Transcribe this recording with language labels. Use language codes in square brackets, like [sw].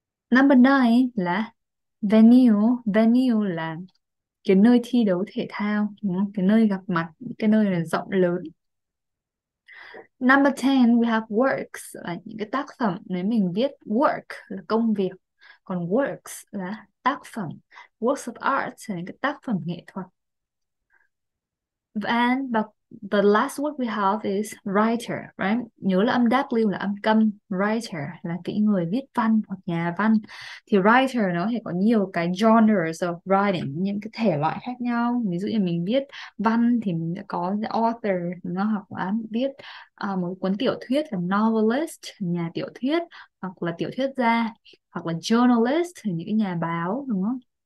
[vi] Number nine là venue. Venue là cái nơi thi đấu thể thao, đúng không? Cái nơi gặp mặt, cái nơi là rộng lớn. Number 10, [en] we have works, [vi] là những cái tác phẩm. Nếu mình viết work là công việc, còn works là tác phẩm. Works of art là những cái tác phẩm nghệ thuật. [en] And the last word we have is writer, right? [vi] Nhớ là âm W là âm câm. Writer là cái người viết văn hoặc nhà văn. Thì writer nó thể có nhiều cái genres of writing, những cái thể loại khác nhau. Ví dụ như mình viết văn thì mình sẽ có author, nó học là viết một cuốn tiểu thuyết là novelist, nhà tiểu thuyết, hoặc là tiểu thuyết gia, hoặc là journalist thì những cái nhà báo, đúng không?